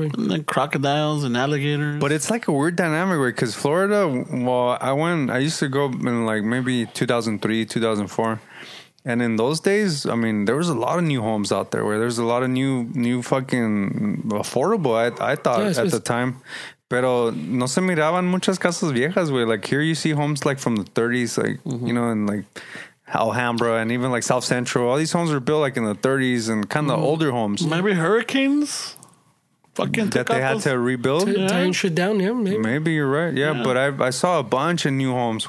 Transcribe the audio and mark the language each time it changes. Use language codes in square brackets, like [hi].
[en] And then crocodiles and alligators. But it's like a weird dynamic, right? Because Florida, well, I used to go in like maybe 2003, 2004. And in those days, I mean, there was a lot of new homes out there where there's a lot of new fucking affordable, I thought, at the time. [es] Pero no se miraban muchas casas viejas, güey. [en] Like here you see homes like from the 30s, like, you know, and like... Alhambra and even like South Central, all these homes were built like in the 30s and kind of older homes. Maybe hurricanes fucking that they had to rebuild, tearing shit down. Yeah, maybe you're right. Yeah, but I saw a bunch of new homes.